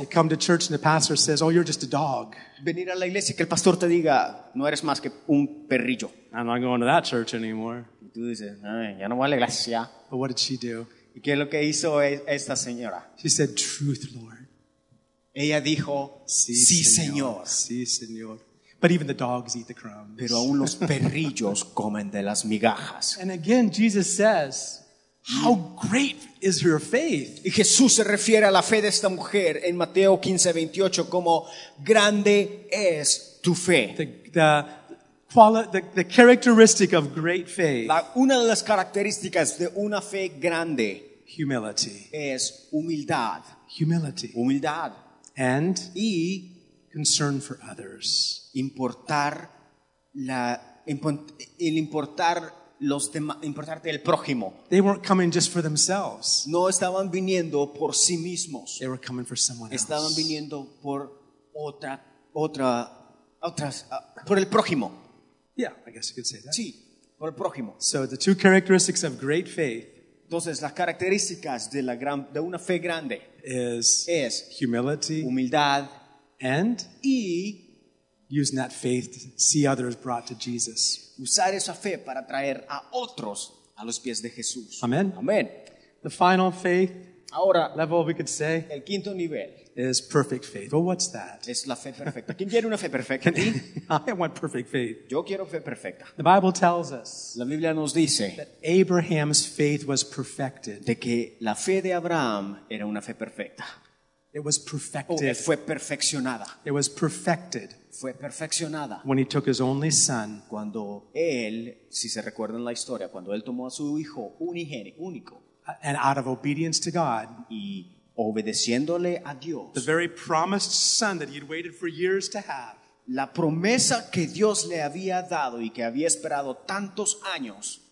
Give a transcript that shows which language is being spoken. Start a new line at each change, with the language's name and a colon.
English: You come to church and the pastor says, "Oh, you're just a dog."
Spanish: Venir a la iglesia y que el pastor te diga, no eres más que un perrillo.
English: I'm not going to that church anymore.
Spanish: Y tú dices, ya no voy a la iglesia.
English: But what did she do?
Spanish: ¿Y qué es lo que hizo esta señora?
English: She said, "Truth, Lord."
Spanish: Ella dijo, "Sí, sí señor. Señor." Sí, señor.
English: But even the dogs eat the crumbs.
Spanish: Pero aún los perrillos comen de las migajas.
English: And again, Jesus says, "How great is her faith?"
Spanish: Y Jesús se refiere a la fe de esta mujer en Mateo 15:28 como grande es tu fe.
English: The characteristic of great faith.
Spanish: Una de las características de una fe grande
English: Humility.
Spanish: Es humildad.
English: Humility.
Spanish: Humildad.
English: And
Spanish: y
English: concern for others.
Spanish: Importar la el importar los importarte el prójimo.
English: They weren't coming just for themselves.
Spanish: No estaban viniendo por sí mismos.
English: They were coming for someone else.
Spanish: Estaban viniendo por por el prójimo.
English: Yeah, I guess you could say that.
Spanish: Sí, por el prójimo.
English: So the two characteristics of great faith.
Spanish: Entonces las características de la gran de una fe grande es
English: humility,
Spanish: humildad,
English: and
Spanish: y
English: using that faith to see others brought to Jesus.
Spanish: Usar esa fe para traer a otros a los pies de Jesús. Amen. Amen.
English: The final faith.
Spanish: Ahora,
English: level we could say.
Spanish: El quinto nivel.
English: Is perfect faith. Well, what's that?
Spanish: Es la fe perfecta. ¿Quién quiere una fe perfecta?
English: I want perfect faith.
Spanish: Yo quiero fe perfecta.
English: The Bible tells us.
Spanish: La Biblia nos dice.
English: That Abraham's faith was perfected.
Spanish: De que la fe de Abraham era una fe perfecta.
English: It was perfected.
Spanish: Oh, fue perfeccionada.
English: It was perfected.
Spanish: Fue perfeccionada.
English: When he took his only son.
Spanish: Cuando él, si se recuerdan la historia, cuando él tomó a su hijo único.
English: And out of obedience to God.
Spanish: Y obedeciéndole a Dios.
English: The very promised son that he had waited for years to have.
Spanish: La promesa que Dios le había dado y que había esperado tantos años.